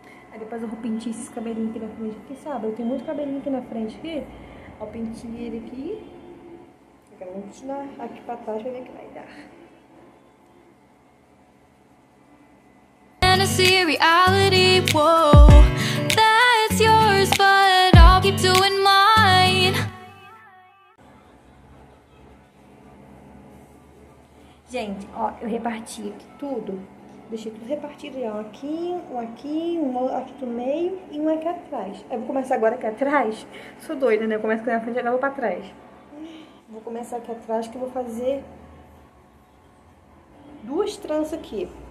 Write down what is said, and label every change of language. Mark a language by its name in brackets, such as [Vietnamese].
[Portuguese] Aí depois eu vou pentear esses cabelinhos aqui na frente. Porque sabe, eu tenho muito cabelinho aqui na frente. Aqui eu pentei ele aqui. Agora vamos continuar aqui pra trás pra ver o que vai dar. [English] See reality, whoa, that's yours, but I'll keep doing mine. [Portuguese] Gente, ó, eu reparti aqui tudo. Deixei tudo repartido, ó. Um aqui, um aqui no meio e um aqui atrás. Eu vou começar agora aqui atrás. Sou doida, né? Eu começo aqui na frente e agora vou pra trás. Vou começar aqui atrás que eu vou fazer duas tranças aqui.